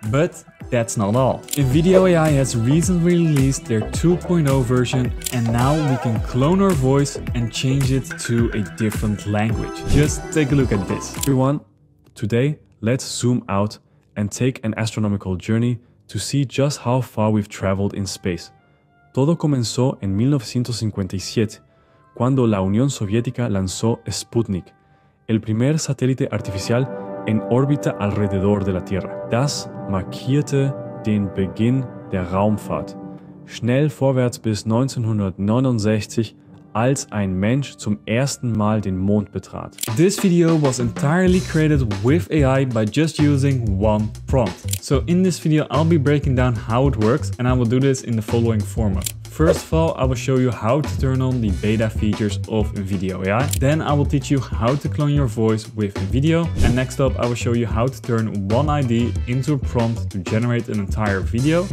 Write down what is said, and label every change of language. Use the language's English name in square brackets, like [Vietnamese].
[English] But that's not all. Invideo AI has recently released their 2.0 version, and now we can clone our voice and change it to a different language. Just take a look at this. Everyone, today, let's zoom out and take an astronomical journey to see just how far we've traveled in space. [Spanish] Todo comenzó en 1957, cuando la Unión Soviética lanzó Sputnik, el primer satélite artificial en órbita alrededor de la Tierra. [German] Das markierte den Beginn der Raumfahrt. Schnell vorwärts bis 1969, als ein Mensch zum ersten Mal den Mond betrat. [English] This video was entirely created with AI by just using one prompt. So in this video, I'll be breaking down how it works, and I will do this in the following format. First of all, I will show you how to turn on the beta features of Invideo AI. Then I will teach you how to clone your voice with Invideo. And next up, I will show you how to turn one ID into a prompt to generate an entire video.